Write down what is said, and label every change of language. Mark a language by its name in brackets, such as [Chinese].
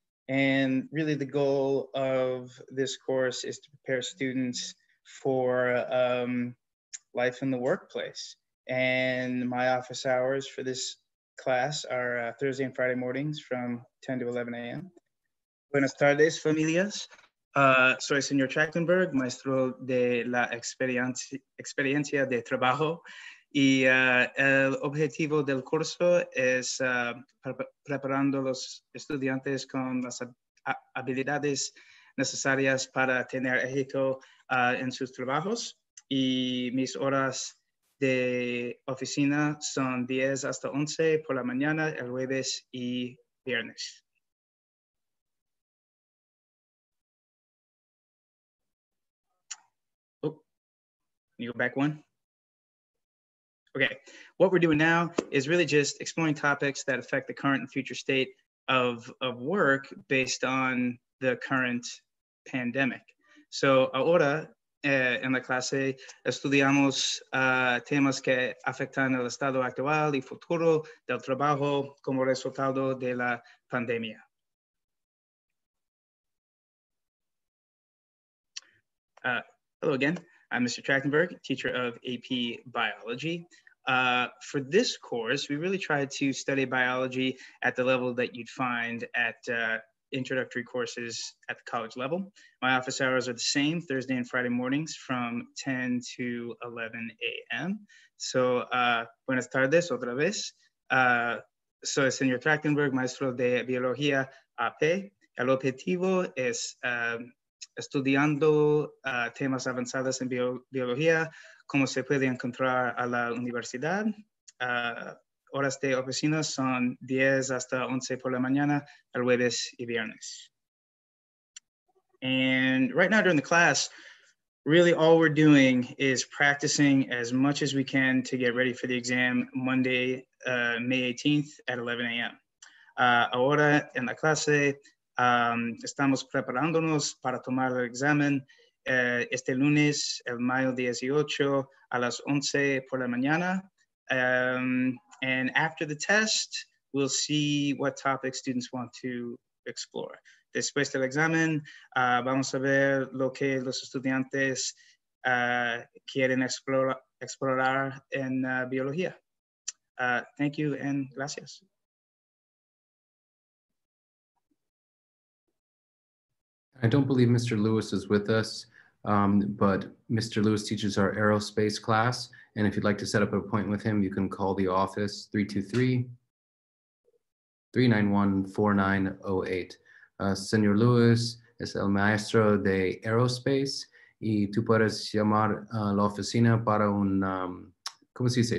[English] And really the goal of this course is to prepare students for life in the workplace. And my office hours for this class are Thursday and Friday mornings from 10 to 11 a.m. [Spanish] Buenas tardes, familias. Soy señor Trachtenberg, maestro de la experiencia de trabajo. Y el objetivo del curso es preparando los estudiantes con las habilidades necesarias para tener éxito en sus trabajos. Y mis horas de oficina son 10 hasta 11 por la mañana, el jueves y viernes. [English] Oh, can you go back one? Okay, what we're doing now is really just exploring topics that affect the current and future state of work based on the current pandemic. [Spanish] So ahora, en la clase, estudiamos temas que afectan el estado actual y futuro del trabajo como resultado de la pandemia. [English] Hello again, I'm Mr. Trachtenberg, teacher of AP Biology. For this course, we really tried to study biology at the level that you'd find at introductory courses at the college level. My office hours are the same Thursday and Friday mornings from 10 to 11 a.m. [Spanish] So, buenas tardes otra vez. Soy señor Trachtenberg, maestro de biología AP. El objetivo es estudiando temas avanzados en biología. ¿Cómo se puede encontrar a la universidad? Horas de oficina son 10 hasta 11 por la mañana, el jueves y viernes. [English] And right now during the class, really all we're doing is practicing as much as we can to get ready for the exam Monday, May 18th at 11 a.m. [Spanish] Ahora en la clase, estamos preparándonos para tomar el examen este lunes, el mayo 18, a las 11 por la mañana. [English] And after the test, we'll see what topics students want to explore. [Spanish] Después del examen, vamos a ver lo que los estudiantes quieren explorar en biología. [English] Thank you and gracias. I don't believe Mr. Lewis is with us. But Mr. Lewis teaches our aerospace class, and if you'd like to set up an appointment with him, you can call the office 323-391-4908. [Spanish] Señor Lewis es el maestro de aerospace, y tú puedes llamar a la oficina para un, ¿cómo se dice?